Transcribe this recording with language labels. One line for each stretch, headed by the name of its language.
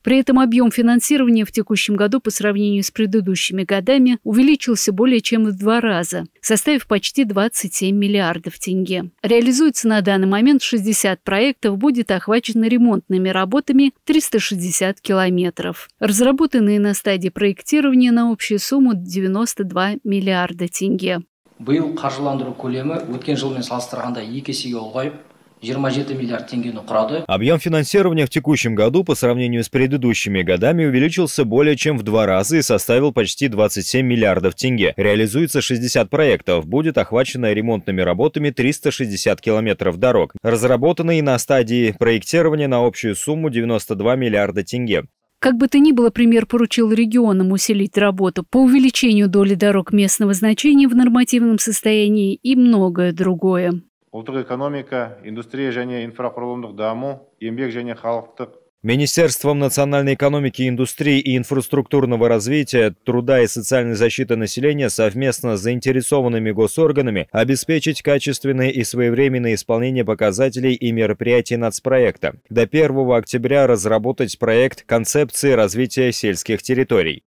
Russian: При этом объем финансирования в текущем году по сравнению с предыдущими годами увеличился более чем в два раза, составив почти 27 миллиардов тенге. Реализуется на данный момент 60 проектов, будет охвачено ремонтными работами 360 километров, разработанные на стадии проектирования на общую сумму 92 миллиарда тенге.
Kazakh: Биыл қаржыландыру көлемі өткен жылмен салыстырғанда 2 есеге ұлғайып, 27 миллиард теңгені құрады.
Russian: Объем финансирования в текущем году по сравнению с предыдущими годами увеличился более чем в два раза и составил почти 27 миллиардов тенге. Реализуется 60 проектов, будет охвачено ремонтными работами 360 километров дорог, разработанные на стадии проектирования на общую сумму 92 миллиарда тенге. Как бы то ни было, премьер поручил регионам усилить работу по увеличению доли дорог местного значения в нормативном состоянии и многое другое.
Kazakh: Ұлттық экономика, индустрия және инфрақұрылымдық даму, еңбек және халықтық.
Russian: Министерством национальной экономики, индустрии и инфраструктурного развития, труда и социальной защиты населения совместно с заинтересованными госорганами обеспечить качественное и своевременное исполнение показателей и мероприятий нацпроекта. До 1 октября разработать проект концепции развития сельских территорий.